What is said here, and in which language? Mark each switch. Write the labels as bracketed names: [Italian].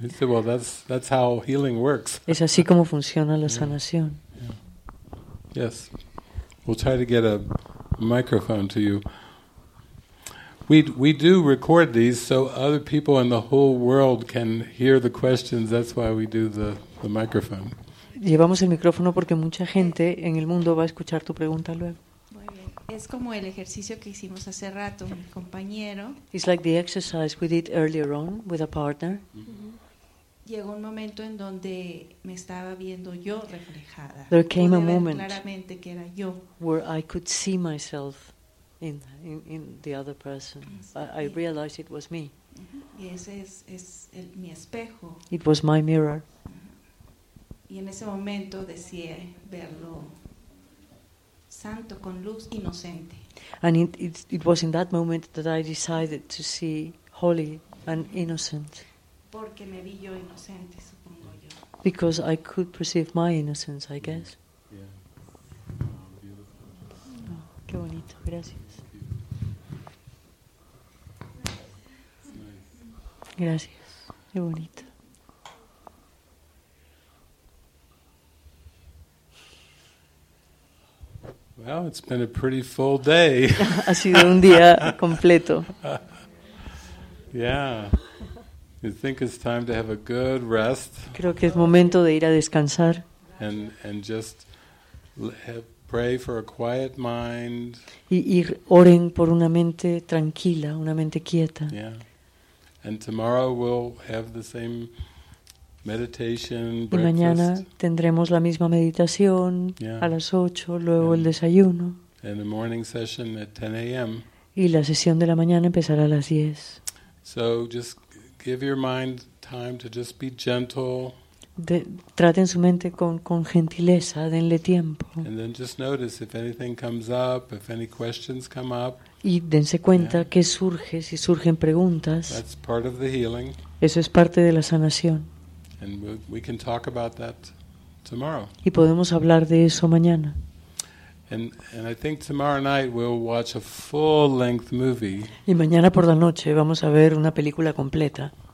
[English] I said, well, that's how healing works. [Spanish] Es así como funciona la sanación. [English] Yeah. Yes. We'll try to get a microphone to you. We do record these so other people in the whole world can hear the questions. That's why we do the microphone. [Spanish] Llevamos el micrófono porque mucha gente en el mundo va a escuchar tu pregunta luego. Muy bien. Es como el ejercicio que hicimos hace rato, mi compañero. [English] It's like the exercise we did earlier on with a partner. Mm-hmm. [Spanish] Llegó un momento en donde me estaba viendo yo reflejada. [English] There came a moment [Spanish] claramente que era yo. [English] Where I could see myself. In the other person. I realized it was me. [Spanish] Y ese es el, mi espejo. [English] It was my mirror. [Spanish] Y en ese momento decía verlo santo, con luz, inocente. [English] And it was in that moment that I decided to see holy and innocent. [Spanish] Porque me vi yo inocente, supongo yo. [English] Because I could perceive my innocence, I guess. Yeah. [Spanish] Oh, qué bonito, gracias. Gracias. Qué bonito. [English] Well, it's been a pretty full day. [Spanish] Ha sido un día completo. [English] Yeah. You think it's time to have a good rest? [Spanish] Creo que es momento de ir a descansar. [English] And just pray for a quiet mind. [Spanish] Y oren por una mente tranquila, una mente quieta. [English] Yeah. And tomorrow we'll have the same meditation, breakfast. [Spanish] Y mañana tendremos la misma meditación, [English] yeah, [Spanish] a las 8, luego el desayuno. [English] And the morning session at 10 a.m. [Spanish] Y la sesión de la mañana empezará a las 10. [English] So just give your mind time to just be gentle. [Spanish] Traten su mente con gentileza, denle tiempo. [English] And then just notice if anything comes up, if any questions come up. [Spanish] Y dense cuenta que surge, si surgen preguntas. [English] That's part of the healing. [Spanish] Eso es parte de la sanación. [English] And we can talk about that tomorrow. [Spanish] Y podemos hablar de eso mañana. [English] And I think tomorrow night we'll watch a full-length movie. [Spanish] Y mañana por la noche vamos a ver una película completa.